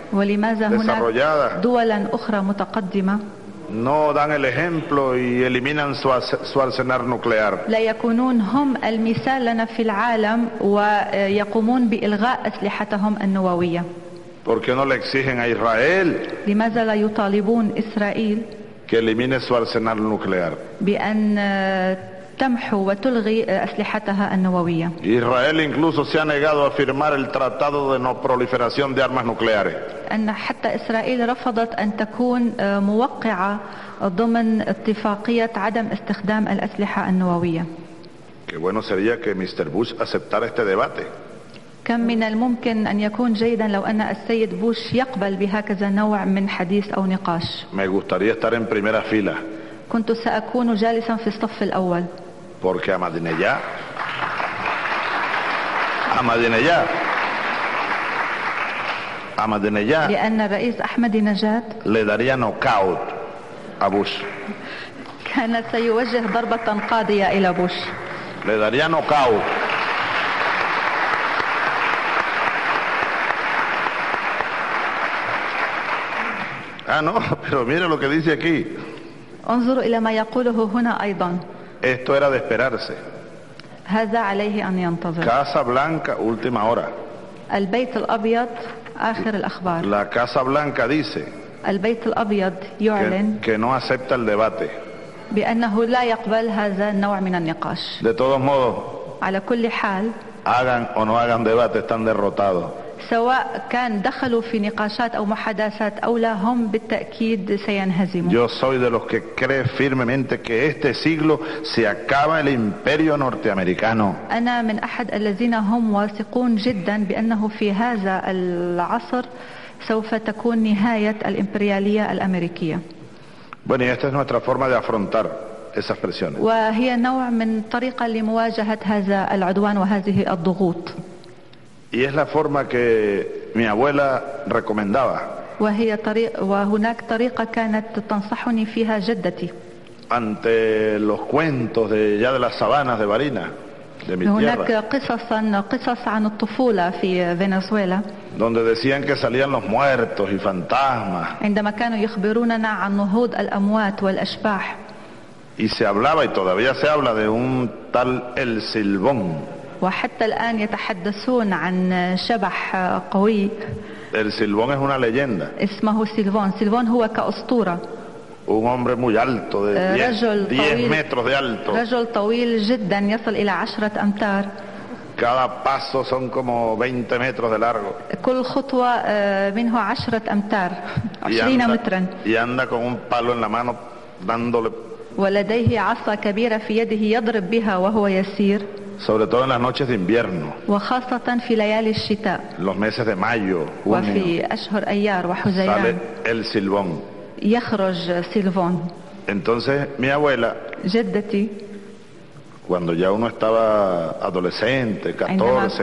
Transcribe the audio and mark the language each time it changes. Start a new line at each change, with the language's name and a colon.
Arabic: ولماذا هناك دول أخرى متقدمة؟
Spanish: No dan el ejemplo y eliminan su arsenal nuclear.
Arabic: لا يكونون هم المثال لنا في العالم ويقومون بإلغاء أسلحتهم النووية.
Spanish: ¿Por qué no le exigen a Israel?
Arabic: لماذا لا يطالبون إسرائيل؟
Spanish: Que elimine su arsenal nuclear.
Arabic: بأن تمحو وتلغي أسلحتها النووية.
Spanish: Israel incluso se ha negado a firmar el tratado de no proliferación de armas nucleares.
Arabic: أن حتى إسرائيل رفضت أن تكون موقعة ضمن اتفاقية عدم استخدام الأسلحة النووية.
Spanish: Qué bueno sería que Mr. Bush aceptara este debate.
Arabic: كم من الممكن أن يكون جيدا لو أن السيد بوش يقبل بهكذا نوع من حديث أو نقاش.
Spanish: Me gustaría estar en primera fila.
Arabic: كنت سأكون جالسا في الصف الأول.
Spanish: Porque Ahmadinejad.
Arabic: لأن الرئيس أحمد نجاد.
Spanish: Le daría knockout a Bush.
Arabic: كان سيوجه ضربة قاضية إلى بوش.
Spanish: Le daría knockout. Ah no, pero mira lo que dice aquí.
Arabic: انظروا إلى ما يقوله هنا أيضا.
Spanish: Esto era de esperarse.
Arabic: هذا عليه أن ينتظر.
Spanish: Casa Blanca, última hora.
Arabic: البيت الأبيض آخر الأخبار.
Spanish: La Casa Blanca dice.
Arabic: البيت الأبيض يعلن.
Spanish: Que no acepta el debate.
Arabic: بأنه لا يقبل هذا النوع من النقاش.
Spanish: De todos modos,
Arabic: على كل حال,
Spanish: hagan o no hagan debate, están derrotados.
Arabic: سواء كان دخلوا في نقاشات أو محادثات أو لا, هم بالتأكيد سينهزمون.
Spanish: Yo soy de los que cree firmemente que este siglo se acaba el imperio norteamericano.
Arabic: أنا من أحد الذين هم واثقون جدا بأنه في هذا العصر سوف تكون نهاية الإمبريالية الأمريكية.
Spanish: Bueno, y esta es nuestra forma de afrontar esas presiones.
Arabic: وهي نوع من طريقة لمواجهة هذا العدوان وهذه الضغوط.
Spanish: Y es la forma que mi abuela recomendaba.
Arabic: وهي طريق وهناك طريقة كانت تنصحني فيها جدتي.
Spanish: Ante los cuentos de ya de las sabanas de Barina, de mi
Arabic: هناك
Spanish: tierra.
Arabic: قصص عن الطفولة في فنزويلا.
Spanish: Donde decían que salían los muertos y fantasmas.
Arabic: عندما كانوا يخبروننا عن نهوض الأموات والأشباح.
Spanish: Y se hablaba y todavía se habla de un tal El Silbón.
Arabic: وحتى الآن يتحدثون عن شبح قوي.
Spanish: El Silbón es una leyenda.
Arabic: اسمه سيلفون. سيلفون هو كأسطورة.
Spanish: Un hombre muy alto de 10 metros de alto.
Arabic: رجل طويل جدا يصل إلى 10 أمتار.
Spanish: Cada paso son como 20 metros de largo.
Arabic: كل خطوة منه 10 أمتار. 20 مترا.
Spanish: Y anda con un palo en la mano dándole.
Arabic: ولديه عصا كبيرة في يده يضرب بها وهو يسير.
Spanish: Sobre todo en las noches de invierno.
Arabic: وخاصة في ليالي الشتاء.
Spanish: Los meses de mayo, junio.
Arabic: وفي أشهر أيار وحزيران.
Spanish: Sale el silbón.
Arabic: يخرج سيلفون.
Spanish: Entonces mi abuela.
Arabic: جدتي.
Spanish: Cuando ya uno estaba adolescente, 14, 15.